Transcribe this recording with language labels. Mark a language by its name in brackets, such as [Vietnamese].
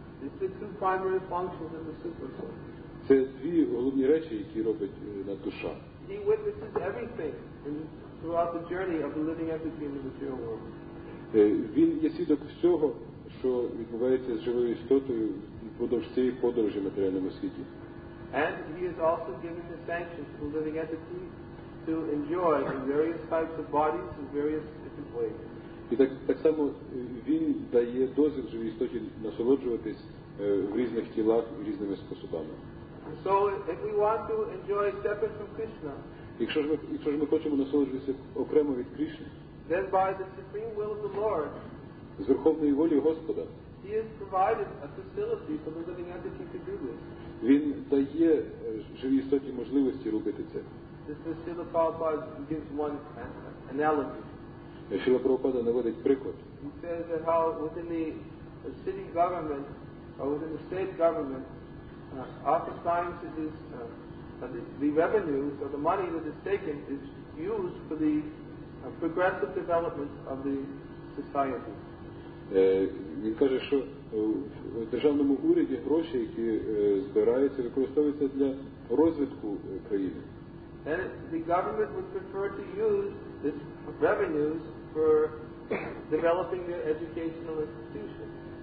[English] These are two primary functions of the super soul. [Ukrainian] Це дві головні речі, які робить над душа. [English] He witnesses everything throughout the journey of the living entity in the material world. [Ukrainian] Він є свідок всього, що відбувається з живою істотою впродовж цієї подорожі в матеріальному світі. [English] And he is also giving the sanction to the living entity to enjoy in various types of bodies in various different ways. [Ukrainian] І так само він дає дозвіл живій істоті насолоджуватись в різних тілах різними способами. [English] So if we want to enjoy separate from Krishna, [Ukrainian] якщо ж ми хочемо насолоджуватися окремо від Кришни, [English] then by the supreme will of the Lord, [Ukrainian] з верховної волі Господа, [English] he has provided a facility for the living entity to do this. [Ukrainian] Він дає живій істоті можливості робити це. [English] This is Śrīla Prabhupāda gives one analogy. [Ukrainian] Śrīla Prabhupāda наводить приклад. [English] He says that how within the city government or within the state government, oftentimes it is the revenues or the money that is taken is used for the progressive development of the society. [Ukrainian] Він каже, що в державному уряді гроші, які збираються, використовуються для розвитку країни. [English] And the government would prefer to use this revenues for developing their educational institutions.